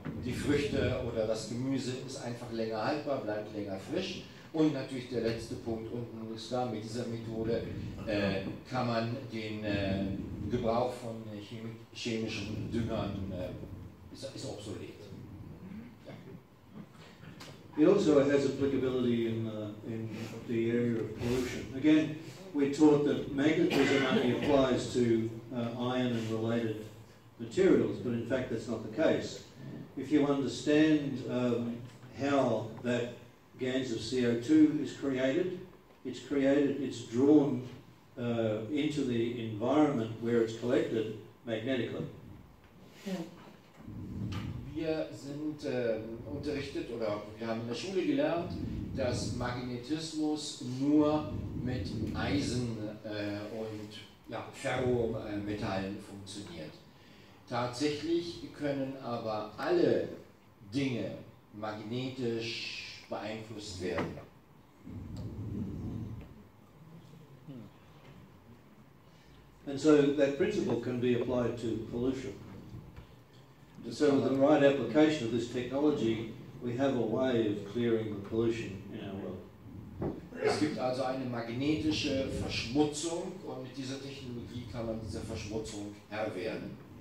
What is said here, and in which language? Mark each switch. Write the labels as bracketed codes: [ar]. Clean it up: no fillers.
[de] Die Früchte oder das Gemüse ist einfach länger haltbar, bleibt länger frisch. Und natürlich der letzte Punkt unten ist da, mit dieser Methode kann man den Gebrauch von chemischen Düngern ist obsolet. [en] It also has applicability in the area of pollution. Again, we're taught that magnetism only applies to iron and related materials, but in fact that's not the case. If you understand how that GANS of CO2 is created, it's drawn into the environment where it's collected magnetically. [de] Wir sind unterrichtet oder wir haben in der Schule gelernt, dass Magnetismus nur mit Eisen und ja, Ferrometallen funktioniert. Tatsächlich können aber alle Dinge magnetisch beeinflusst werden. [en] And so that principle can be applied to pollution. So with the right application of this technology, we have a way of clearing the pollution in our world. [de] Es gibt also eine magnetische Verschmutzung und mit dieser Technologie kann man diese Verschmutzung Herr werden.